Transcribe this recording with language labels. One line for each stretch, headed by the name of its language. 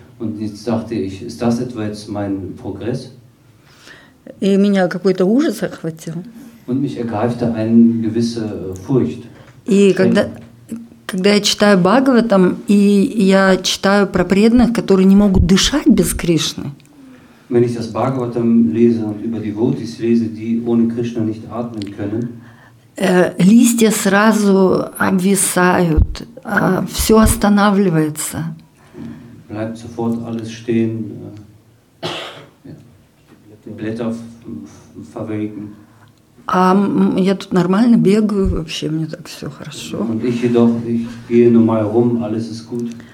German: Und jetzt dachte ich, ist das etwa jetzt mein Progress?
Russian: И меня какой-то ужас охватил.
German: Und mich ergreifte eine gewisse Furcht.
Russian: И когда я читаю Бхагаватам, и я читаю про преданных, которые не могут дышать без Кришны.
German: Wenn ich das Bhagavatam lese und über die Votis lese, die ohne Krishna nicht atmen können.
Russian: Листья сразу обвисают, все останавливается.
German: Bleibt sofort alles stehen. Die Blätter verwelken.
Russian: А я тут нормально бегаю, вообще мне так все хорошо.
German: Und ich jedoch, ich gehe normal rum, alles ist gut.